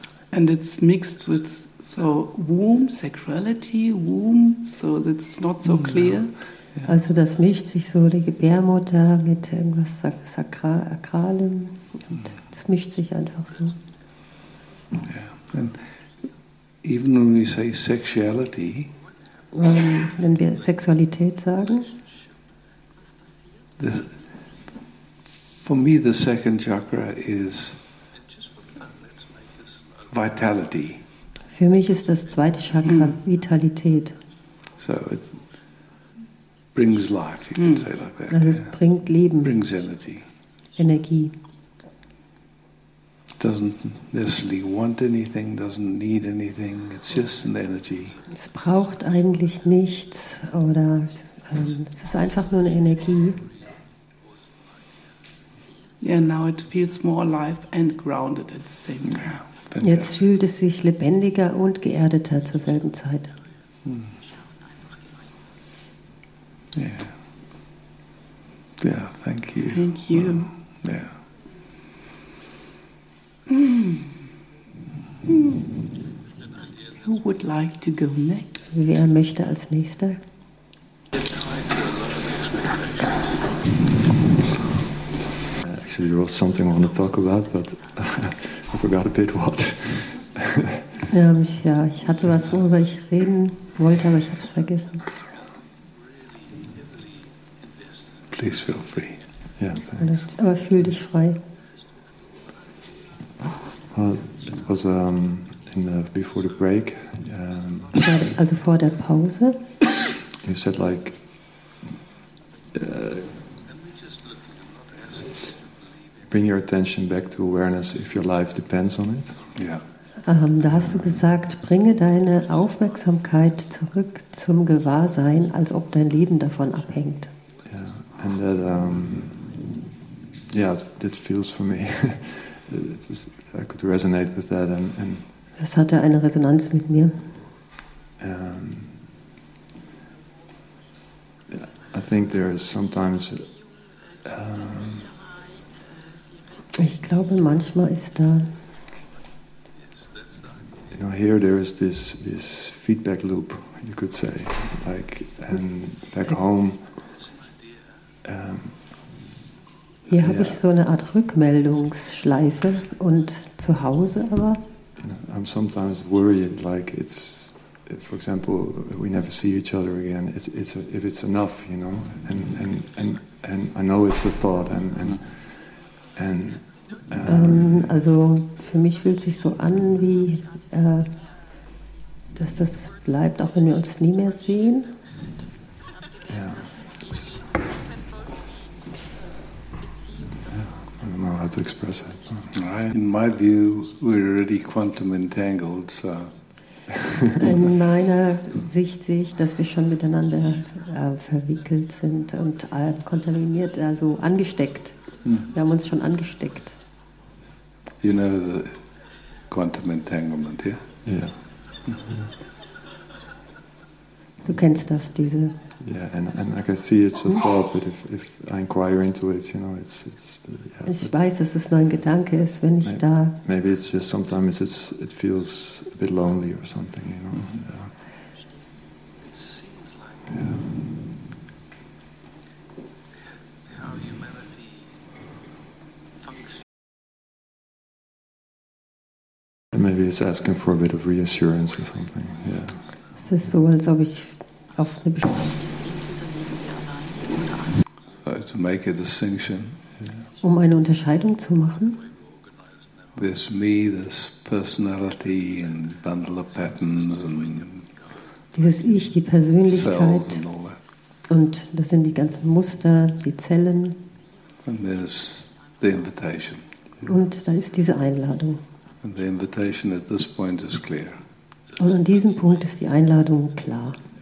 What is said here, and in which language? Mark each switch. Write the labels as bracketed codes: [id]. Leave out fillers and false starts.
[en] And it's mixed with so womb, sexuality, womb, so that's not so clear. [de] Also das mischt sich so die Gebärmutter mit irgendwas Sakralem. Und es mischt sich einfach so. [en] Yeah. And even when we say sexuality, [de] wenn wir Sexualität sagen, [en] for me the second chakra is vitality. [de] Für mich ist das zweite Chakra Vitalität. [en] So it brings life, you can say like that. [de] Also es bringt Leben. [en] Brings energy. [de] Energie. [en] Doesn't necessarily want anything, doesn't need anything, it's just an energy. [de] Es braucht eigentlich nichts oder es ist einfach nur eine Energie. [en] Yeah, now it feels more alive and grounded at the same time. Yeah, [de] jetzt fühlt es sich lebendiger und geerdeter zur selben Zeit. [en] Hmm. Yeah. Yeah, thank you. Thank you. Yeah. Who would like to go next? [de] Wer möchte als Nächster? [en] Actually, there was something I want to talk about, but I forgot a bit what. [de] Ja, ich hatte was, worüber ich reden wollte, aber ich habe es vergessen. [en] Please feel free. Yeah, thanks. [de] Aber fühl dich frei. [en] Well, it was before the break. [de] Also vor der Pause. [en] You said like. Bring your attention back to awareness if your life depends on it. Yeah. [de] Da hast du gesagt, bringe deine Aufmerksamkeit zurück zum Gewahrsein, als ob dein Leben davon abhängt. [en] Yeah, and that, that feels for me. I could resonate with that. And [de] das hatte eine Resonanz mit mir. [en] I think there is sometimes. [de] Ich glaube, manchmal ist da. [en] You know, here there is this feedback loop, you could say, like, and back home. [de] Hier habe ich so eine Art Rückmeldungsschleife und zu Hause aber. [en] You know, I'm sometimes worried, like it's, for example, we never see each other again. If it's enough, you know, and I know it's a thought and. [de] Also für mich fühlt sich so an, wie dass das bleibt, auch wenn wir uns nie mehr sehen. [en] Yeah. I don't know how to express it. In my view, we're already quantum entangled. So. [de] In meiner Sicht sehe ich, dass wir schon miteinander verwickelt sind und kontaminiert, also angesteckt. Wir haben uns schon angesteckt. [en] You know the quantum entanglement, yeah? Yeah. [de] Du kennst das, diese. [en] Yeah, and I can see it's a thought, but if I inquire into it, you know, it's. Yeah, [de] ich weiß, dass es nur ein Gedanke ist, wenn ich da. [en] Maybe it's just sometimes it feels a bit lonely or something, you know. Mm-hmm. Yeah. Maybe it's asking for a bit of reassurance or something. Yeah. [de] Es ist so, als ob ich auf eine [en] to make a distinction. Yeah. [de] Um eine Unterscheidung zu machen. [en] This me, this personality and bundle of patterns and. [de] Dieses Ich, die Persönlichkeit. Und das sind die ganzen Muster, die Zellen. [en] And there's the invitation. [de] Und da ist diese Einladung. [en] And the invitation at this point is clear. [de] Und an diesem Punkt ist die Einladung klar.